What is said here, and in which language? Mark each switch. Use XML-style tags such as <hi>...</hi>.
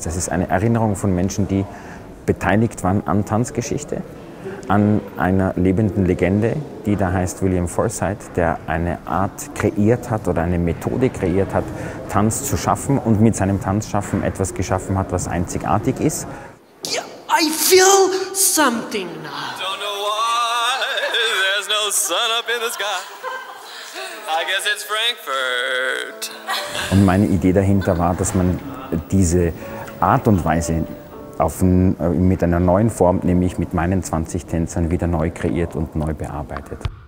<de>Das ist eine Erinnerung von Menschen, die beteiligt waren an Tanzgeschichte, an einer lebenden Legende, die da heißt William Forsythe, der eine Art kreiert hat oder eine Methode kreiert hat, Tanz zu schaffen und mit seinem Tanzschaffen etwas geschaffen hat, was einzigartig ist.</de> <en>I feel something now. Don't know why there's no sun up in the sky. I guess it's Frankfurt.</en> <de>Und meine Idee dahinter war, dass man diese Art und Weise mit einer neuen Form, nämlich mit meinen 20 Tänzern, wieder neu kreiert und neu bearbeitet.</de>